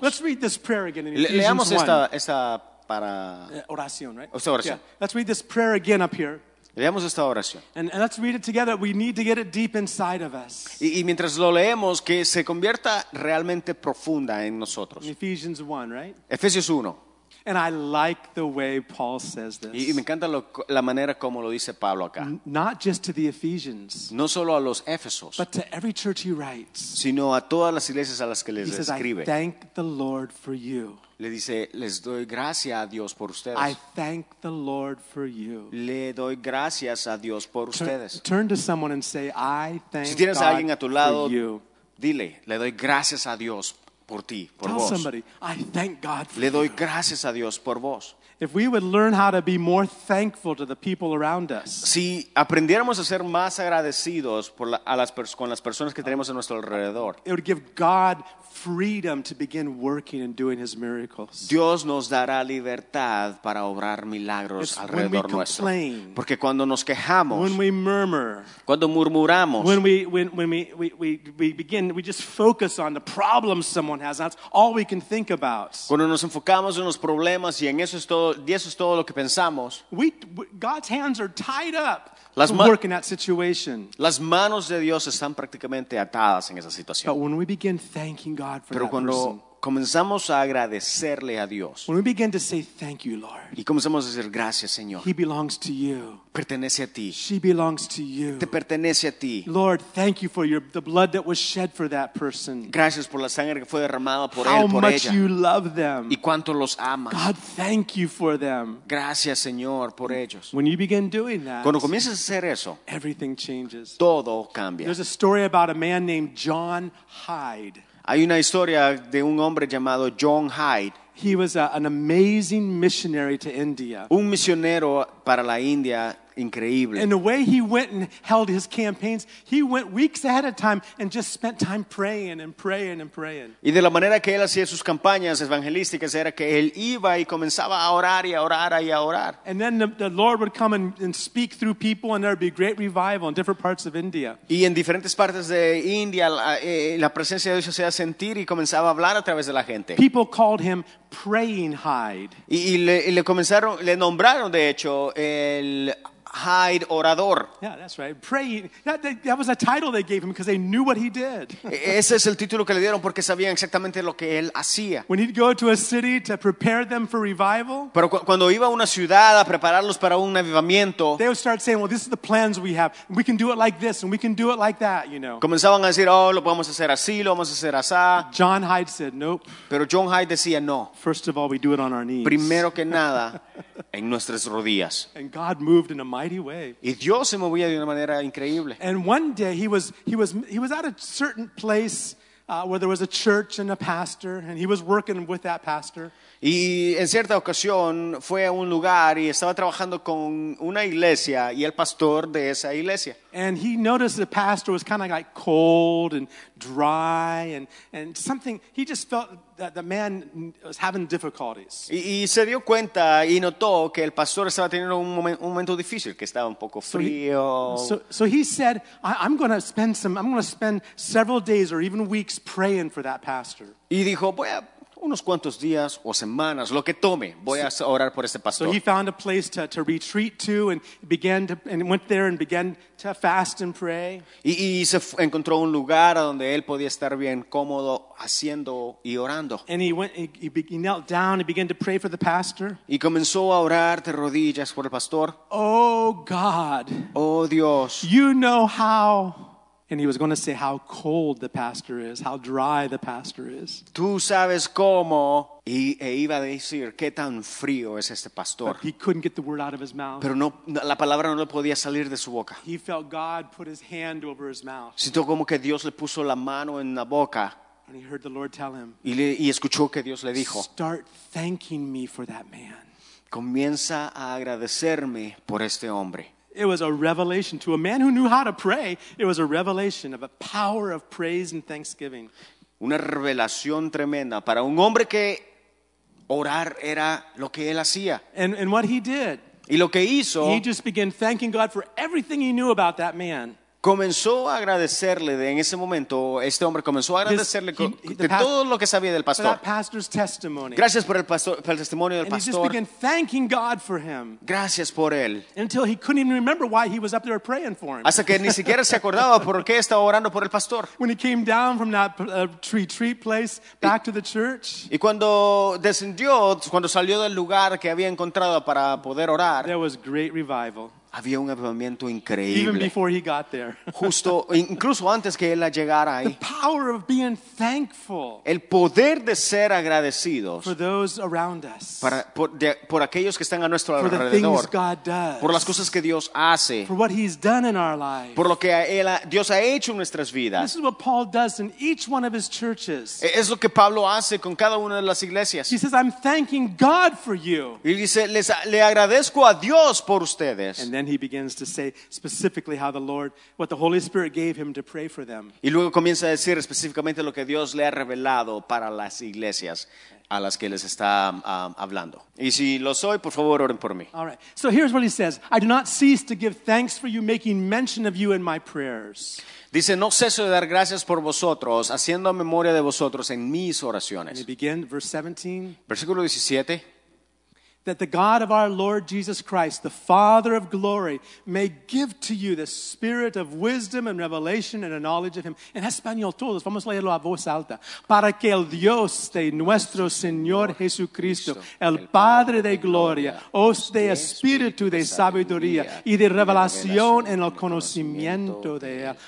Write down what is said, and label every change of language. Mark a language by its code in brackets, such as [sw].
[en] Let's read this prayer again in Ephesians 1. [es] Leamos esta para oración, [en] right? [es] Esta oración. [en] Yeah. Let's read this prayer again up here. [es] Leamos esta oración. [en] And let's read it together. We need to get it deep inside of us. [es] Y mientras lo leemos, que se convierta realmente profunda en nosotros. [en] Ephesians 1, right? [es] Efesios 1. [en] And I like the way Paul says this. [es] Y me encanta la manera como lo dice Pablo acá. [en] Not just to the Ephesians. [es] No solo a los Éfesos. [en] But to every church he writes. [es] Sino a todas las iglesias a las que les escribe. [en] He says, I thank the Lord for you. [es] Le dice, les doy gracias a Dios por ustedes. [en] I thank the Lord for you. [es] Le doy gracias a Dios por ustedes. [en] Turn to someone and say, I thank God for you. [es] Si tienes a alguien a tu lado, dile, le doy gracias a Dios por ti, por [en] tell [es] vos. [en] Somebody, I thank God for [es] le doy gracias a Dios por vos. [en] If we would learn how to be more thankful to the people around us. [es] Si aprendiéramos a ser más agradecidos con las personas que tenemos a nuestro alrededor. [en] It would give God freedom to begin working and doing his miracles. [es] Dios nos dará libertad para obrar milagros [en] it's [es] alrededor [en] when we complain, [es] nuestro. Porque cuando nos quejamos. [en] When we murmur. [es] Cuando murmuramos. [en] When we just focus on the problems someone has. That's all we can think about. [es] Cuando nos enfocamos en los problemas y en eso es todo. Y eso es todo lo que pensamos. [en] God's hands are tied up working that situation. [es] Las manos de Dios están prácticamente atadas en esa situación. [en] But when we begin thanking God for [es] pero [en] that [es] cuando [en] person, [es] comenzamos a agradecerle a Dios. [en] When we begin to say thank you, Lord. [es] Y comenzamos a decir gracias, Señor. [en] He belongs to you. [es] Pertenece a ti. [en] She belongs to you. [es] Te pertenece a ti. [en] Lord, thank you for the blood that was shed for that person. [es] Gracias por la sangre que fue derramada por [en] how [es] él, por [en] much [es] ella. [en] You love them. [es] Y cuánto los amas. [en] God, thank you for them. [es] Gracias, Señor, por ellos. [en] When you begin doing that, [es] cuando comienzas a hacer eso, [en] everything changes. [es] Todo cambia. [en] There's a story about a man named John Hyde. [es] Hay una historia de un hombre llamado John Hyde. [en] He was an amazing missionary to India. [es] Un misionero para la India increíble. [en] And the way he went and held his campaigns, he went weeks ahead of time and just spent time praying and praying and praying. [es] Y de la manera que él hacía sus campañas evangelísticas era que él iba y comenzaba a orar y a orar y a orar. [en] And then the Lord would come and speak through people and there would be great revival in different parts of India. [es] Y en diferentes partes de India la presencia de Dios se hacía sentir y comenzaba a hablar a través de la gente. [en] People called him Praying Hyde. [es] Y le nombraron de hecho el Hyde orador. [en] Yeah, that's right. Praying. That was a title they gave him because they knew what he did. [es] Ese es el título que le dieron porque sabían exactamente lo que él hacía. [en] When he'd go to a city to prepare them for revival. [es] Pero cuando iba a una ciudad a prepararlos para un avivamiento. [en] They would start saying, "Well, this is the plans we have. We can do it like this and we can do it like that, you know." [es] Comenzaban a decir, "Oh, lo podemos hacer así, lo vamos a hacer así." [en] John Hyde said, "Nope." [es] Pero John Hyde decía, "No." [en] First of all, we do it on our knees. [es] Primero que nada, en nuestras rodillas. [en] And God moved in a mighty way. [es] Y Dios se movía de una manera increíble. [en] And one day he was at a certain place where there was a church and a pastor, and he was working with that pastor. [es] Y en cierta ocasión fue a un lugar y estaba trabajando con una iglesia y el pastor de esa iglesia. [en] And he noticed the pastor was kind of like cold and dry and something. He just felt that the man was having difficulties. [es] Y se dio cuenta y notó que el pastor estaba teniendo un momento difícil, que estaba un poco frío. [en] So he said, I'm going to spend several days or even weeks praying for that pastor. [es] Y dijo, voy a unos cuantos días o semanas, lo que tome, voy a orar por este pastor. [en] So he found a place to retreat to and began to and went there and began to fast and pray. [es] Y se encontró un lugar donde él podía estar bien cómodo haciendo y orando. [en] And he knelt down and began to pray for the pastor. [es] Y comenzó a orar de rodillas por el pastor. [en] Oh God. [es] Oh Dios. [en] You know how. And he was going to say how cold the pastor is, how dry the pastor is. [es] Tú sabes cómo, e iba a decir qué tan frío es este pastor. [en] But he couldn't get the word out of his mouth. [es] Pero no, la palabra no podía salir de su boca. [en] He felt God put his hand over his mouth. [es] Sintió como que Dios le puso la mano en la boca. [en] And he heard the Lord tell him. [es] Y escuchó que Dios le dijo. [en] Start thanking me for that man. [es] Comienza a agradecerme por este hombre. [en] It was a revelation to a man who knew how to pray. It was a revelation of a power of praise and thanksgiving. [es] Una revelación tremenda para un hombre que orar era lo que él hacía. [en] And what he did. [es] Y lo que hizo. [en] He just began thanking God for everything he knew about that man. [es] Comenzó a agradecerle de, en ese momento, este hombre comenzó a agradecerle todo lo que sabía del pastor. [en] For that pastor's testimony. [es] Gracias por el pastor, por el testimonio del pastor. [en] And he just began thanking God for him. [es] Gracias por él. [en] Until he couldn't even remember why he was up there praying for him. [es] Hasta que ni siquiera se acordaba por qué estaba orando por el pastor. [en] When he came down from that retreat place back to the church. [es] Y cuando descendió, cuando salió del lugar que había encontrado para poder orar. [en] There was great revival. [es] Había un avivamiento increíble. [en] Even before he got there. [es] Justo, incluso antes que él llegara ahí. [en] The power of being thankful. [es] El poder de ser agradecidos. [en] For those around us. [es] Por aquellos que están a nuestro [en] for [es] alrededor. [en] The things God does. [es] Por las cosas que Dios hace. [en] For what he's done in our lives. [es] Por lo que Dios ha hecho en nuestras vidas. [en] This is what Paul does in each one of his churches. [es] Es lo que Pablo hace con cada una de las iglesias. [en] He says, I'm thanking God for you. [es] Y dice, le agradezco a Dios por ustedes. [en] And then he begins to say specifically how the Lord, what the Holy Spirit gave him to pray for them. [es] Y luego comienza a decir específicamente lo que Dios le ha revelado para las iglesias a las que les está hablando. Y si lo soy, por favor, oren por mí. [en] All right. So here's what he says. I do not cease to give thanks for you, making mention of you in my prayers. [es] Dice, no ceso de dar gracias por vosotros, haciendo memoria de vosotros en mis oraciones. [en] And he begins, verse 17. [es] Versículo 17. [en] That the God of our Lord Jesus Christ, the Father of glory, may give to you the spirit of wisdom and revelation and a knowledge of him. [es] En español todos, vamos a leerlo a voz alta. Para que el Dios de nuestro Señor Jesucristo, el Padre de gloria, os dé espíritu de sabiduría y de revelación en el conocimiento de él.